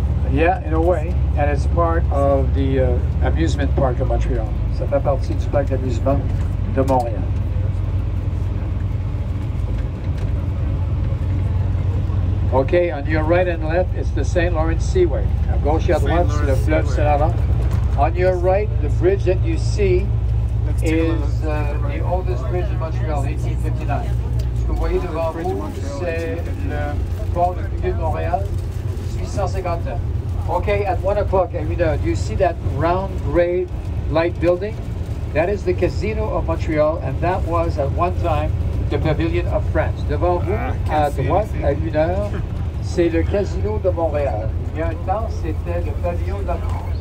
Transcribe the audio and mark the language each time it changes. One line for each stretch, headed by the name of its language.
English: Yeah, in a way, and it's part of the amusement park of Montreal.
French: Ça fait partie du parc d'amusement de Montréal.
English: Okay, on your right and left, it's the St. Lawrence Seaway.
French: À gauche et à droite, c'est le fleuve Saint-Laurent.
English: On your right, the bridge that you see is the oldest bridge in Montreal, 1859.
French: Ce que vous voyez devant vous, c'est le pont le plus vieux de Montréal, 1859.
English: Okay, at 1 o'clock, Amida, do you see that round gray light building? That is the casino of Montreal, and that was at one time the pavilion of France.
French: Devant vous, à droite, à 1 heure, c'est le casino de Montréal. Il y a un temps, c'était le pavillon de la France.